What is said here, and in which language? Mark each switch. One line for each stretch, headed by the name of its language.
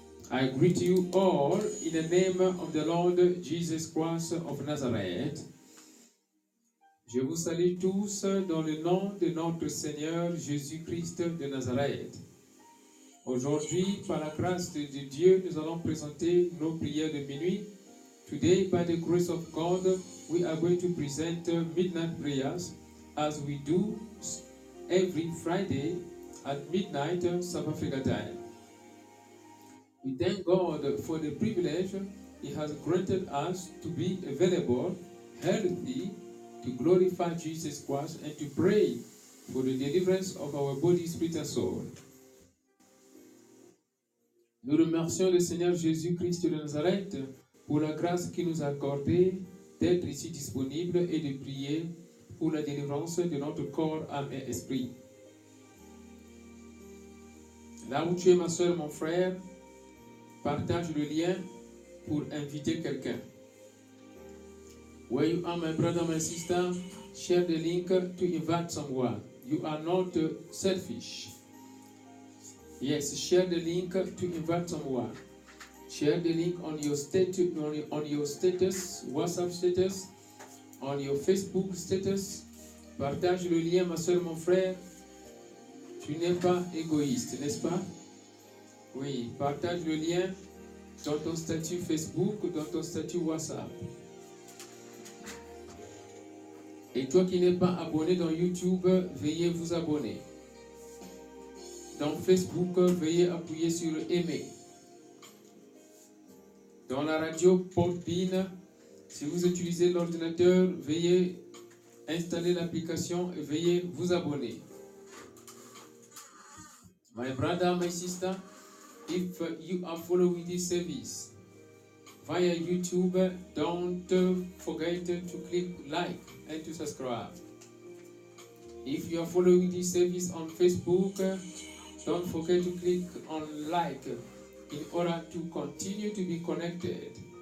English: I greet you all in the name of the Lord Jesus Christ of Nazareth.
French: Je vous salue tous dans le nom de notre Seigneur Jésus-Christ de Nazareth. Aujourd'hui, par la grâce de Dieu, nous allons présenter nos prières de minuit.
English: Today, by the grace of God, we are going to present midnight prayers as we do every Friday at midnight South Africa time. We thank God for the privilege He has granted us to be available, healthy, to glorify Jesus Christ and to pray for the deliverance of our body, spirit and soul.
French: Nous remercions le Seigneur Jésus-Christ de Nazareth pour la grâce qu'il nous a accordée d'être ici disponible et de prier pour la délivrance de notre corps, âme et esprit. Là où tu es, ma soeur, mon frère, partage le lien pour inviter quelqu'un.
English: Where you are, my brother, my sister, share the link to invite someone. You are not selfish. Yes, share the link to invite someone. Share the link on your status, on your status, WhatsApp status, on your Facebook status,
French: Partage le lien, ma soeur, mon frère. Tu n'es pas égoïste, n'est-ce pas? Oui, partage le lien dans ton statut Facebook ou dans ton statut WhatsApp. Et toi qui n'es pas abonné dans YouTube, veuillez vous abonner. Dans Facebook, veuillez appuyer sur « Aimer ». Dans la radio Podbean, si vous utilisez l'ordinateur, veuillez installer l'application et veuillez vous abonner.
English: My brother, my sister, if you are following this service via YouTube, don't forget to click like and to subscribe. If you are following this service on Facebook, don't forget to click on like in order to continue to be connected.